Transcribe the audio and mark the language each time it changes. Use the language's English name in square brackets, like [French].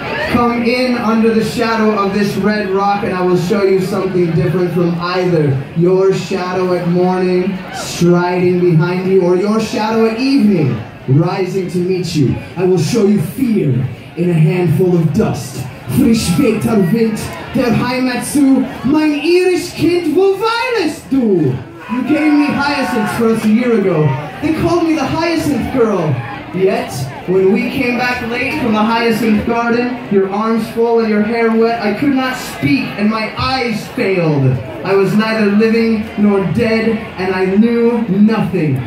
[English] Come in under the shadow of this red rock, and I will show you something different from either your shadow at morning, striding behind you, or your shadow at evening, rising to meet you. I will show you fear in a handful of dust. [German] Frisch später Wind, der Heimat zu, mein irisch Kind, wo weinest du? [English] You gave me hyacinths for us a year ago. They called me the hyacinth girl. Yet, when we came back late from the hyacinth garden, your arms full and your hair wet, I could not speak and my eyes failed. I was neither living nor dead, and I knew nothing.